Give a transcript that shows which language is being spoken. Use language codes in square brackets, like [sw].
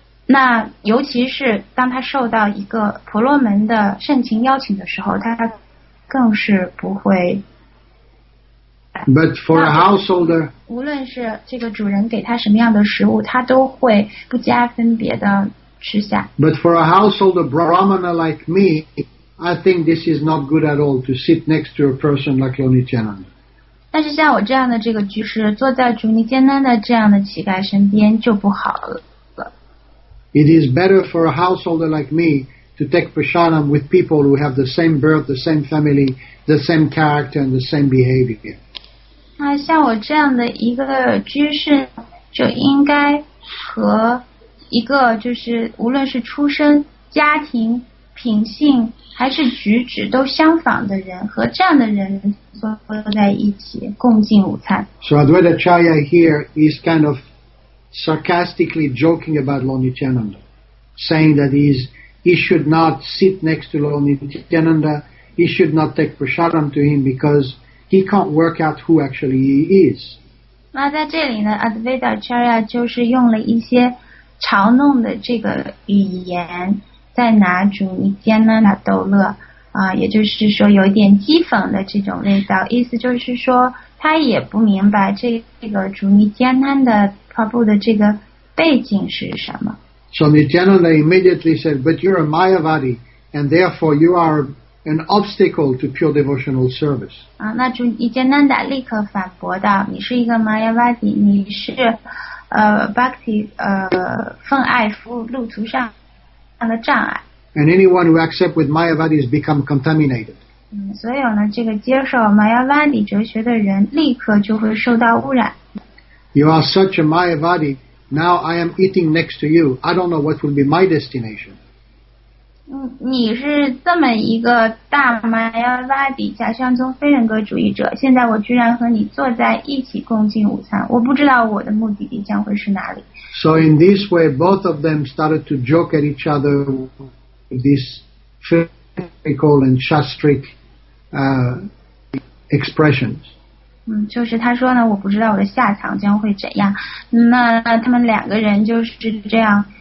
[zh] 那尤其是当他受到一个婆罗门的盛情邀请的时候，他更是不会。 [en] But for a householder, [zh] 无论是这个主人给他什么样的食物，他都会不加分别的吃下。 [en] But for a householder brahmana like me, I think this is not good at all to sit next to a person like Lord Nityananda. [zh] 但是像我这样的这个居士，坐在主尼迦南达这样的乞丐身边就不好了。 [en] It is better for a householder like me to take prasadam with people who have the same birth, the same family, the same character, and the same behavior. [zh] 那像我这样的一个居士，就应该和一个就是无论是出身、家庭、品性还是举止都相仿的人，和这样的人坐在一起共进午餐。 [en] So Advaita Charya here is kind of sarcastically joking about Lord Nityananda, saying that he should not sit next to Lord Nityananda, he should not take prasadam to him because. He can't work out who actually he is. [zh] 那在这里呢 ，Advaita Charya 就是用了一些嘲弄的这个语言，在拿主尼迦南达逗乐也就是说有一点讥讽的这种味道。意思就是说，他也不明白这个主尼迦南达Prabhu的这个背景是什么。 [en] So Nityananda immediately said, "But you're a Mayavadi, and therefore you are." An obstacle to pure devotional service. [zh] 那主尼迦南达立刻反驳道：“你是一个 Mayavadi， 你是Bhakti 奉爱服务路途上的障碍。 [en] ”And anyone who accept with Mayavadi has become contaminated. [zh] 所有呢，这个接受 Mayavadi 哲学的人立刻就会受到污染。 [en] You are such a Mayavadi. Now I am eating next to you. I don't know what will be my destination. [zh] 你是这么一个大玛雅瓦底假象宗非人格主义者，现在我居然和你坐在一起共进午餐，我不知道我的目的地将会是哪里。 [en] So in this way, both of them started to joke at each other with this physical and shastric expressions. [zh] 就是他说呢，我不知道我的下场将会怎样。那他们两个人就是这样。